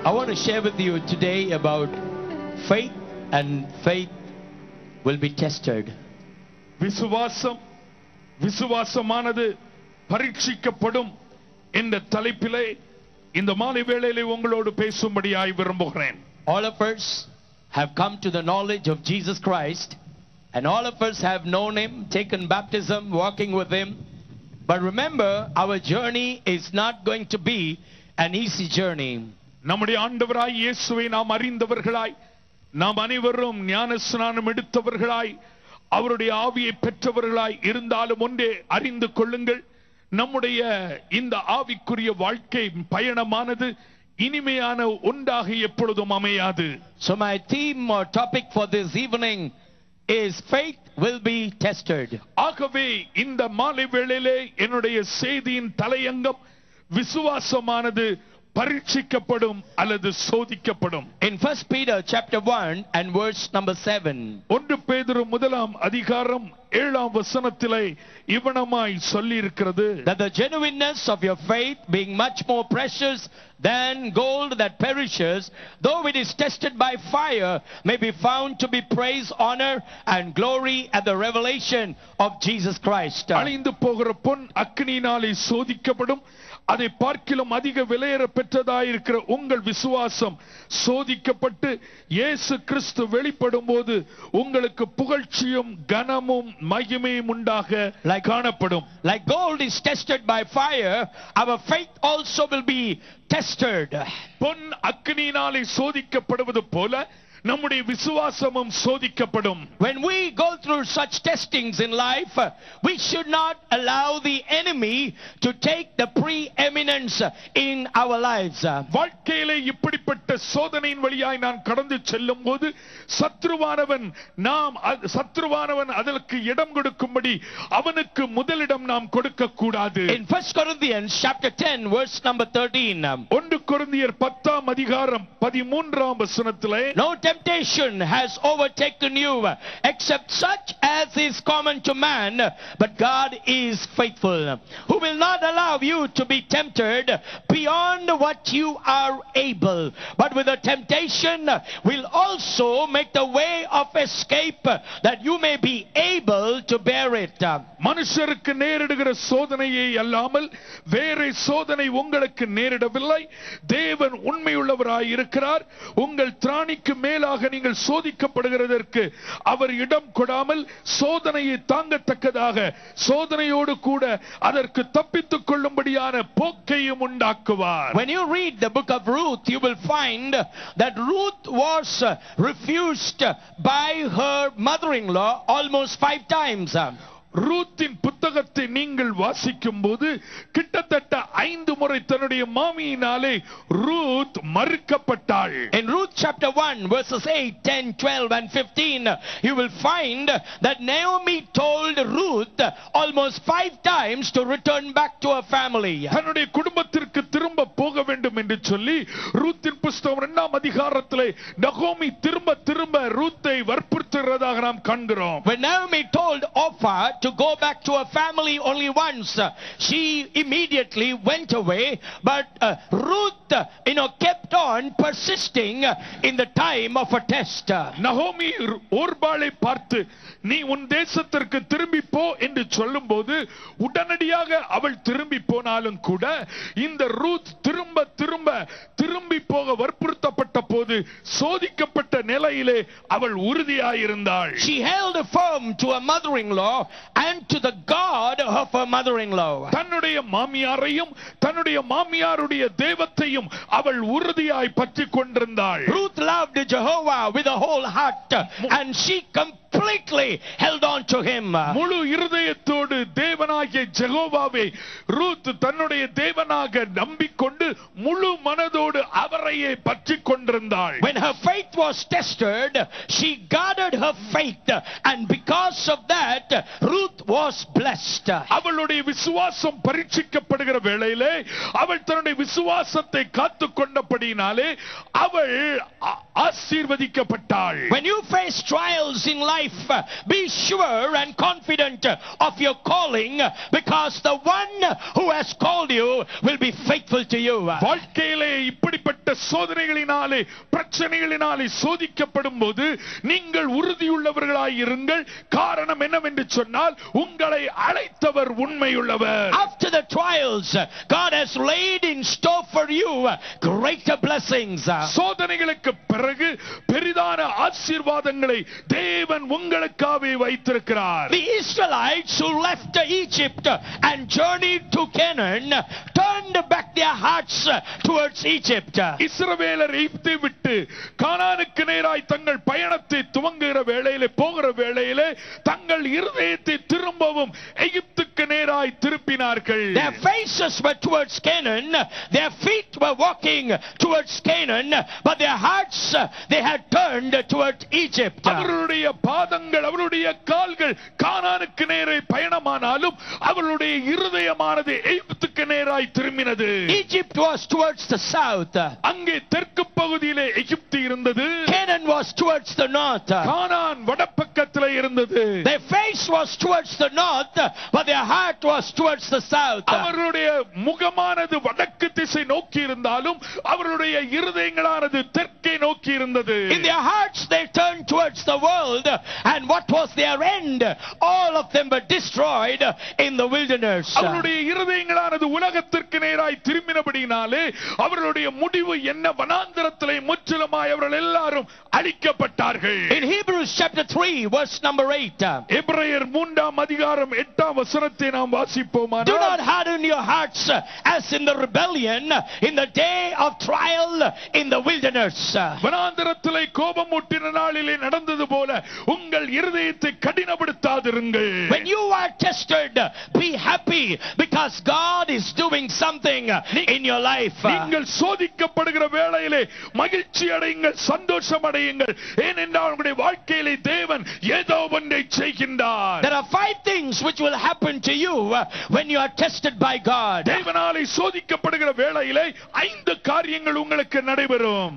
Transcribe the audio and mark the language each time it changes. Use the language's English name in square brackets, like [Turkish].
[English] to share with you today about faith and faith will be tested. [Tamil] விசுவாசம் விசுவாசமானது பரீட்சிக்கப்படும் இந்த தலைப்பிலே இந்த மாலை வேளையிலே உங்களோடு பேசும்படியாய் விரும்புகிறேன். [English] All of us have come to the knowledge of Jesus Christ and all of us have known him, taken baptism, walking with him. But remember, our journey is not going to be an easy journey. [Tamil] நம்முடைய ஆண்டவராய் இயேசுவை நாம் அறிந்தவர்களாய், நாம் அனைவரும் ஞானஸ்நானம் எடுத்தவர்களாய், அவருடைய ஆவியை பெற்றவர்களாய் இருந்தாலும் ஒன்றே அறிந்து கொள்ளுங்கள், நம்முடைய இந்த ஆவிக்குரிய வாழ்க்கை பயணமானது இனிமையான ஒன்றாக எப்பொழுதும் அமையாது. [English] So my theme or topic for this evening is faith will be tested. [Tamil] ஆகவே இந்த மாலை வேளையிலே என்னுடைய செய்தியின் தலையங்கம் விசுவாசமானது பரீட்சிக்கப்படும் அல்லது சோதிக்கப்படும். [English] In 1 Peter chapter 1 and verse number 7. [Tamil] 1 பேதுரு முதலாம் அதிகாரம் 7ஆம் வசனத்திலே இவனமாய் சொல்லி இருக்கிறது. [English] That the genuineness of your faith being much more precious than gold that perishes though it is tested by fire may be found to be praise honor and glory at the revelation of Jesus Christ. [Tamil] அழிந்து போகிற பொன் அக்கினியாலே சோதிக்கப்படும், அதை பார்க்கிலும் அதிக விலையேற பெற்றதாயிருக்கிற உங்கள் விசுவாசம் சோதிக்கப்பட்டு இயேசு கிறிஸ்து வெளிப்படும் போது உங்களுக்கு புகழ்ச்சியும் கனமும் மகிமையும் உண்டாக காணப்படும். [English] Like gold is tested by fire, our faith also will be tested. [Tamil] பொன் அக்கினியினாலே சோதிக்கப்படுவது போல நம்முடைய விசுவாசமும் சோதிக்கப்படும். [English] When we go through such testings in life, we should not allow the enemy to take the preeminence in our lives. [Tamil] வாழ்க்கையிலே இப்படிப்பட்ட சோதனையின் வழியாய் நான் கடந்து செல்லும் போது சத்ருவானவன் அதற்கு இடம் கொடுக்கும்படி அவனுக்கு முதலிடம் நாம் கொடுக்க கூடாது. [English] In 1 Corinthians chapter 10 verse number 13. [Tamil] 1 கொரிந்தியர் 10 அதிகாரம் 13 வசனத்திலே [English] temptation has overtaken you except such as is common to man, but God is faithful, who will not allow you to be tempted beyond what you are able, but with the temptation will also make the way of escape that you may be able to bear it. [Tamil] மனுஷருக்கு நேரிடுகிற சோதனையே அல்லாமல் வேறு சோதனை உங்களுக்கு நேரிடவில்லை. தேவன் உண்மையுள்ளவராய் இருக்கிறார். உங்கள் திராணிக்கு மேலாக நீங்கள் சோதிக்கப்படுகிறதற்கு அவர் இடம் கொடாமல் சோதனையை தாங்கத்தக்கதாக சோதனையோடு கூட அதற்கு தப்பித்துக் கொள்ளும்படியான போக்கையும் உண்டாக்குவார். [English] When you read the book of Ruth, you will find that Ruth was refused by her mother-in-law almost 5 times. [Tamil] ரூத்தின் புத்தகத்தை நீங்கள் வாசிக்கும் போது கிட்டத்தட்ட 5 முறை தன்னுடைய மாமியினாலே Ruth மறுக்கப்பட்டாள். [English] In Ruth chapter 1 verses 8, 10, 12 and 15 you will find that Naomi told Ruth almost 5 times to return back to her family. [Tamil] தன்னுடைய குடும்பத்திற்கு திரும்ப போக வேண்டும் என்று சொல்லி ரூத்தின் புத்தகம் 2 அதிகாரத்திலே நகோமி திரும்ப திரும்ப ரூத்தை வற்புறுத்துகிறதாக நாம் காண்கிறோம். [English] When Naomi told Orpha to go back to her family only once, she immediately went away, but Ruth, you know, kept on persisting in the time of a test. [Tamil] Naomi Orbale paarthu நீ உன் தேசத்திற்கு திரும்பி போ என்று சொல்லும் போது உடனடியாக அவள் திரும்பி போனாலும் கூட இந்த ரூத் திரும்ப திரும்ப திரும்பி போக வற்புறுத்தப்பட்ட போது சோதிக்கப்பட்ட நிலையிலே அவள் உறுதியாயிருந்தாள். [English] She held firm to her mother-in-law and to the God of her mother-in-law. [Tamil] தன்னுடைய மாமியாரையும் தன்னுடைய மாமியாருடைய தேவத்தையும் அவள் உறுதியாய் பற்றி கொண்டிருந்தாள். [English] Ruth loved Jehovah with a whole heart and she completely held on to him. [Tamil] முழு இருதயத்தோடு தேவனாகிய யெகோவாவை ரூத் தன்னுடைய தேவனாக நம்பிக்கொண்டு முழு மனதோடு அவரையே பற்றிக் கொண்டிருந்தாள். [English] When her faith was tested, she guarded her faith and because of that Ruth was blessed. [Tamil] அவளுடைய விசுவாசம் பரீட்சிக்கப்படுகிற வேளையிலே அவள் தன்னுடைய விசுவாசத்தை காத்துக்கொண்டபடியினாலே அவள் ஆசீர்வதிக்கப்பட்டாள். [English] When you face trials in life, be sure and confident of your calling because the one who has called you will be faithful to you. [Tamil] வாழ்க்கையில் இப்படிப்பட்ட சோதனைகளினாலே பிரச்சனைகளினாலே சோதிக்கப்படும் போது நீங்கள் உறுதியுள்ளவர்களாய் இருங்கள். காரணம் என்னவென்று சொன்னால் உங்களை அழைத்தவர் உண்மையுள்ளவர். [English] After the trials, God has laid in store for you greater blessings. [Tamil] சோதனைகளுக்கு பிறகு பெரிதான ஆசீர்வாதங்களை தேவன் உங்களுக்காகவே வைத்திருக்கிறார். [English] The Israelites who left Egypt and journeyed to Canaan turned back their hearts towards Egypt. [Tamil] இஸ்ரவேலர் எகிப்தை விட்டு கானானுக்கு நேராய் தங்கள் பயணத்தை துவங்குகிற வேளையிலே போகிற வேளையிலே தங்கள் இருதயத்தை திரும்பவும் எகிப்துக்கு நேராய் திருப்பினார்கள். [English] Their faces were towards Canaan, their feet were walking towards Canaan, but their hearts they had turned towards Egypt. [Tamil] அவருடைய பாதங்கள் அவருடைய கால்கள் கானானுக்கு நேரே பயணமானாலும் அவருடைய இருதயமானது எகிப்துக்கு நேராய் திரும்பினது. [English] Egypt was towards the south. [Tamil] அங்கே தெற்கு பகுதியிலே எகிப்து இருந்தது. [English] Canaan was towards the north. [Tamil] கானான் வடபக்கத்திலே இருந்தது. [English] Their face was towards the north, but their heart was towards the south. [Tamil] அவருடைய முகமானது வடக்கு திசை நோக்கி இருந்தாலும் அவருடைய இருதயங்களானது தெற்கே நோக்கி இருந்தது. [English] In their hearts they turned towards the world, and what was their end? All of them were destroyed in the wilderness. [Tamil] அவருடைய இருதயங்களானது உலகத்திற்கு நேராய் திரும்பினபடியினாலே அவருடைய முடிவு என்ன? வனாந்தரத்திலே முற்றிலுமாய் அவர்கள் எல்லாரும் அழிக்கப்பட்டார்கள். [English] In Hebrews chapter 3 verse number 8. [Tamil] எபிரேயர் 3:8 நாம் வாசிப்போம். [English] Do not harden your hearts as in the rebellion in the day of trial in the wilderness. [Tamil] வனாந்தரத்திலே கோபமூட்டின நாளிலே நடந்தது போல உங்கள் இருதயத்தை கடினப்படுத்தாதிருங்கள். [English] When you are tested, be happy because God is doing something in your life. [Tamil] நீங்கள் சோதிக்கப்படுகிற வேளையிலே மகிழ்ச்சி அடையுங்கள், சந்தோஷம் அடையுங்கள். ஏனென்றால் உங்களுடைய வாழ்க்கையிலே தேவன் ஏதோ ஒன்றை செய்கின்றார். [English] There are 5 things which will happen to you when you are tested by God. [Tamil] தேவனாலே சோதிக்கப்படுகிற வேளையிலே 5 காரியங்கள் உங்களுக்கு நடைபெறும்.